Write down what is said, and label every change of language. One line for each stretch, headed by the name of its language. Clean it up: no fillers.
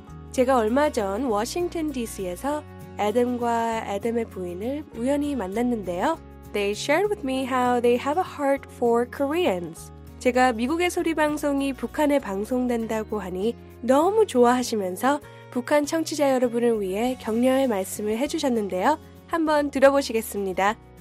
Korean: 제가 얼마 전 워싱턴 DC에서 애덤과 애덤의 부인을 우연히 만났는데요.
English: They shared with me how they have a heart for Koreans.
Korean: 제가 미국의 소리 방송이 북한에 방송된다고 하니 너무 좋아하시면서 북한 청취자 여러분을 위해 격려의 말씀을 해주셨는데요. 한번 들어보시겠습니다.